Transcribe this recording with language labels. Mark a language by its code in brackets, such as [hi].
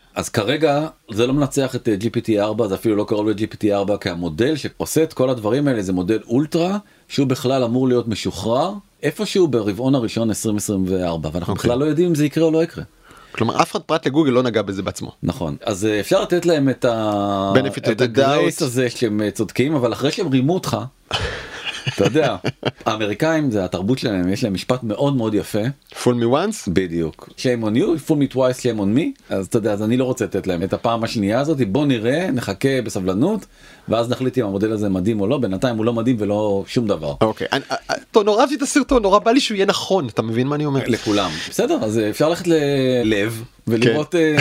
[he] אז כרגע זה לא מנצח את GPT-4, זה אפילו לא קורא לו GPT-4, כי המודל שעושה את כל הדברים האלה זה מודל אולטרה, שהוא בכלל אמור להיות משוחרר איפשהו ברבעון הראשון 2024, ואנחנו okay. בכלל לא יודעים אם זה יקרה או לא יקרה. כלומר, אף אחד פרט לגוגל לא נגע בזה בעצמו. נכון. אז אפשר לתת להם את [en] ה-Benefit of the doubt [he] הזה שהם צודקים, אבל אחרי שהם רימו אותך, אתה יודע, האמריקאים זה התרבות שלהם, יש להם משפט מאוד מאוד יפה. [en] Fool me once? [he] בדיוק. [en] Shame on you, fool me twice, shame on me. [he] אז אתה יודע, אז אני לא רוצה לתת להם את הפעם השנייה הזאת, בוא נראה, נחכה בסבלנות, ואז נחליט אם המודל הזה מדהים או לא, בינתיים הוא לא מדהים ולא שום דבר. אוקיי, טוב, נורא אהבתי את הסרטון, נורא בא לי שהוא יהיה נכון, אתה מבין מה אני אומר? לכולם. בסדר, אז אפשר ללכת ללב. ולראות